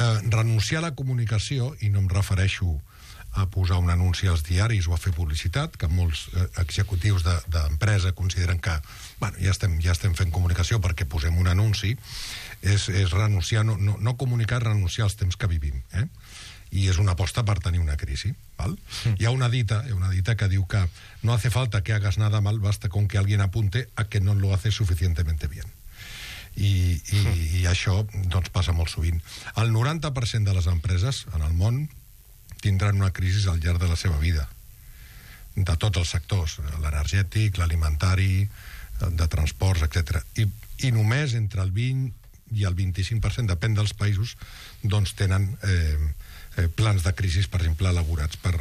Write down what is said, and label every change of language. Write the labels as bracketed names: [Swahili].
[Catalan] Renunciar a la comunicació, i no em refereixo a posar un anunci als diaris o a fer publicitat, que molts executius d'empresa consideren que, bueno, ja estem fent comunicació perquè posem un anunci, és renunciar, no comunicar, renunciar als temps que vivim, i és una aposta per tenir una crisi, val? Sí. Hi ha una dita que diu que [Spanish] no hace falta que hagas nada mal, basta con que alguien apunte a que no lo haces suficientemente bien. [Catalan] I això, doncs, passa molt sovint. El 90% de les empreses en el món tindran una crisi al llarg de la seva vida, de tots els sectors, l'energètic, l'alimentari, de transports, etc. I només entre el 20 i el 25%, depèn dels països, doncs tenen plans de crisi, per exemple, elaborats per...